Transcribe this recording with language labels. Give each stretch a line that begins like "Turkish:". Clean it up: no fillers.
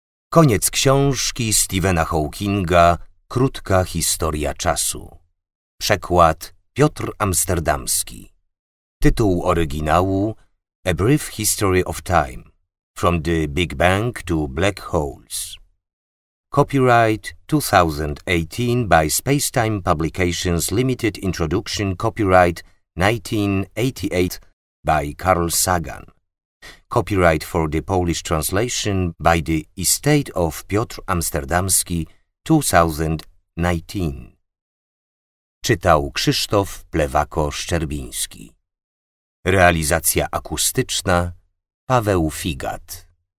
Polish: Koniec książki Stephena Hawkinga Krótka historia czasu. Przekład Piotr Amsterdamski. Tytuł oryginału A Brief History of Time.
English: From the Big Bang to Black Holes. Copyright 2018 by Spacetime Publications Limited. Introduction. Copyright 1988 by Carl Sagan. Copyright for the Polish translation by the Estate of Piotr Amsterdamski 2019.
Polish: Czytał Krzysztof Plewako-Szczerbiński. Realizacja akustyczna Paweł Figat.